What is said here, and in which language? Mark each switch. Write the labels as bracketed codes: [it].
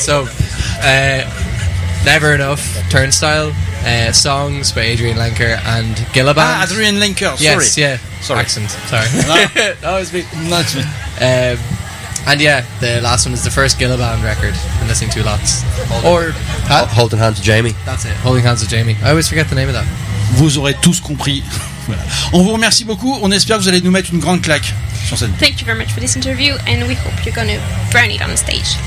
[en] So, Never Enough, Turnstile, Songs by Adrian Lenker and Gillaband. Ah, Adrian Lenker, sorry. Yes, yeah. Sorry. Accent, sorry. No, it's me. No, it's me. And yeah, the last one is the first Gillaband record. Been listening to lots. Holding Hands with Jamie. That's it, Holding Hands with Jamie. I always forget the name of that. [fr] Vous aurez tous compris. Voilà. On vous remercie beaucoup. On espère que vous allez nous mettre une grande claque sur scène. [en] Thank you very much for this interview, and we hope you're going to burn it on the stage.